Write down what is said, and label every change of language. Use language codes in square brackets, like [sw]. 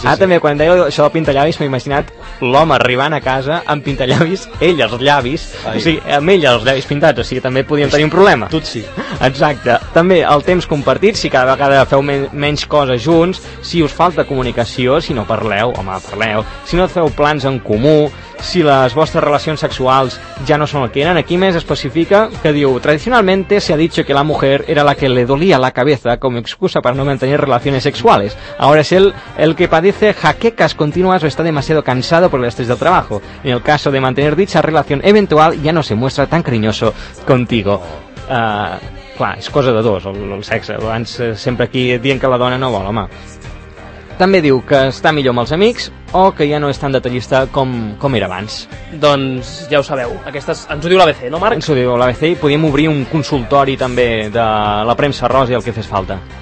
[ca] Ah, també, quan deia això de pintallavis, m'he imaginat l'home arribant a casa amb pintallavis, ell els llavis, amb ell els llavis pintats, o sigui, també podíem tenir un problema. Tot sí. Exacte. També, el temps compartit, si cada vegada feu menys coses junts, si us falta comunicació, si no parleu, home, parleu, si no feu plans en comú, si les vostres relacions sexuals ja no són el que eren. Aquí més especifica que diu, [es] tradicionalmente se ha dicho que la mujer era la que le dolía la cabeza como excusa para no mantener relaciones sexuales. Ahora es el que padece jaquecas continuas o está demasiado cansado por el estrés del trabajo. En el caso de mantener dicha relación eventual, ya no se muestra tan cariñoso contigo. [ca] Clar, és cosa de dos, el sexe. Abans sempre aquí dient que la dona no vol, home. També diu que està millor amb els amics o que ja no és tan detallista com era abans. Doncs ja ho sabeu. Aquestes... Ens ho diu l'ABC, no, Marc? Ens ho diu l'ABC i podíem obrir un consultori també de la premsa rosa i el que fes falta.